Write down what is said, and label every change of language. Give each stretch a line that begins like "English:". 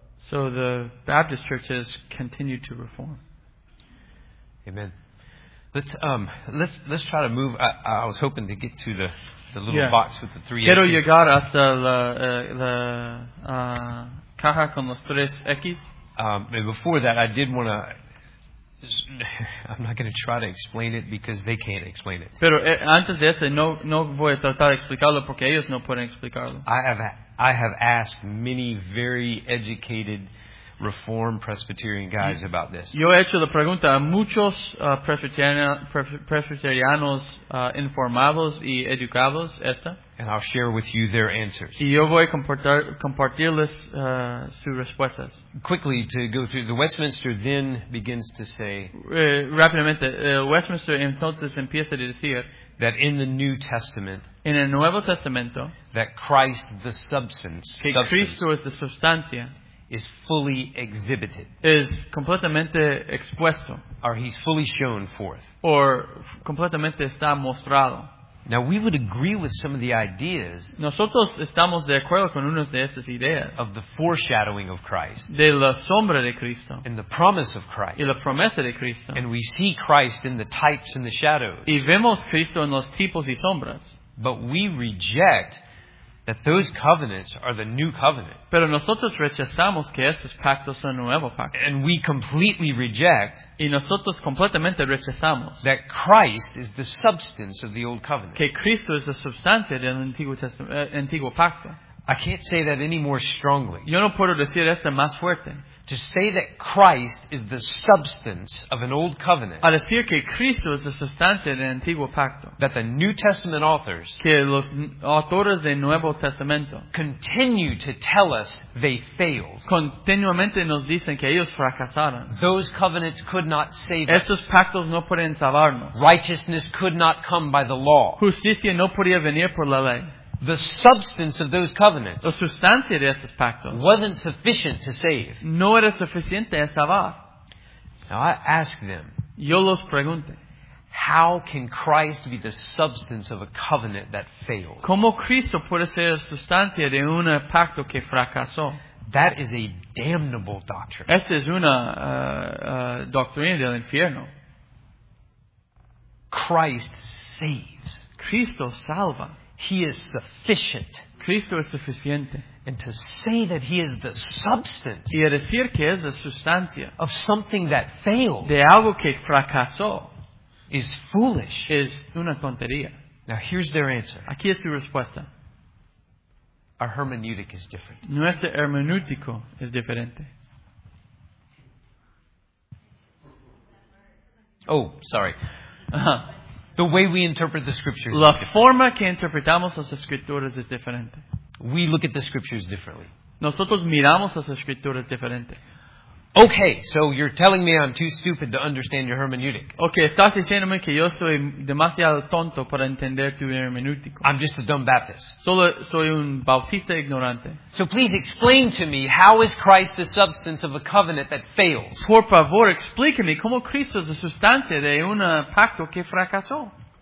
English: So the Baptist Church has continued to reform. Amen. Let's try to move. I was hoping to get to the little box with the three X's.
Spanish: Quiero llegar hasta la caja con los tres X's.
English: And before that, I did want to. I'm not going to try to explain it because they can't explain it.
Spanish: Pero antes de eso, no voy a tratar de explicarlo porque ellos no pueden explicarlo.
English: I have asked many very educated Reformed Presbyterian guys about this.
Spanish: Yo he hecho la pregunta a muchos presbiterianos informados y educados esta.
English: And I'll share with you their answers.
Spanish: Y yo voy a compartirles sus respuestas.
English: Quickly to go through, the Westminster then begins to say.
Spanish: Rápidamente, Westminster entonces empieza a decir.
English: That in the New Testament,
Spanish: in el Nuevo Testamento,
English: that Christ, the substance,
Spanish: que Cristo es la sustancia,
English: is fully exhibited,
Spanish: is completamente expuesto,
English: or he's fully shown forth,
Spanish: or completamente está mostrado.
English: Now we would agree with some of the ideas.
Spanish: Nosotros estamos de acuerdo con unas de estas ideas
English: of the foreshadowing of Christ,
Spanish: de la sombra de Cristo,
English: and the promise of Christ,
Spanish: y la promesa de Cristo,
English: and we see Christ in the types and the shadows,
Spanish: y vemos Cristo en los tipos y sombras.
English: But we reject that those covenants are the new covenant.
Spanish: Pero nosotros rechazamos que esos pactos son nuevo pacto.
English: And we completely reject.
Spanish: Y nosotros completamente rechazamos.
English: That Christ is the substance of the old covenant.
Spanish: Que Cristo es la sustancia del antiguo antiguo pacto.
English: I can't say that any more strongly.
Spanish: Yo no puedo decir esto más fuerte.
English: To say that Christ is the substance of an old covenant.
Spanish: A decir que Cristo es la sustancia del antiguo pacto.
English: That the New Testament authors.
Spanish: Que los autores del Nuevo Testamento.
English: Continue to tell us they failed.
Spanish: Continuamente nos dicen que ellos fracasaron.
English: Those covenants could not save
Spanish: us. Estos pactos no pueden salvarnos.
English: Righteousness could not come by the law.
Spanish: Justicia no podía venir por la ley.
English: The substance of those covenants,
Spanish: la sustancia de esos pactos,
English: wasn't sufficient to save.
Spanish: No era suficiente a salvar.
English: Now I ask them.
Spanish: Yo los pregunto.
English: How can Christ be the substance of a covenant that failed?
Spanish: ¿Cómo Cristo puede ser la sustancia de un pacto que fracasó?
English: That is a damnable doctrine.
Spanish: Esta es una doctrina del infierno.
English: Christ saves.
Spanish: Cristo salva.
English: He is sufficient.
Spanish: Cristo es suficiente.
English: And to say that he is the substance,
Spanish: y a decir que es la sustancia,
English: of something that failed,
Spanish: de algo que fracasó,
English: is foolish.
Spanish: Es una tontería.
English: Now here's their answer.
Spanish: Aquí es su respuesta.
English: Our hermeneutic is different.
Spanish: Nuestro hermenéutico es diferente.
English: Oh, sorry. The way we interpret the scriptures.
Spanish: La forma que interpretamos las escrituras es diferente.
English: We look at the scriptures differently.
Spanish: Nosotros miramos las escrituras diferente.
English: Okay, so you're telling me I'm too stupid to understand your hermeneutic.
Spanish: Okay, estás diciéndome que yo soy demasiado tonto para entender tu hermenéutico.
English: I'm just a dumb Baptist.
Spanish: Solo soy un bautista ignorante.
English: So please explain to me, how is Christ the substance of a covenant that fails?
Spanish: Por favor, explíqueme cómo Cristo es la sustancia de un pacto que fracasó.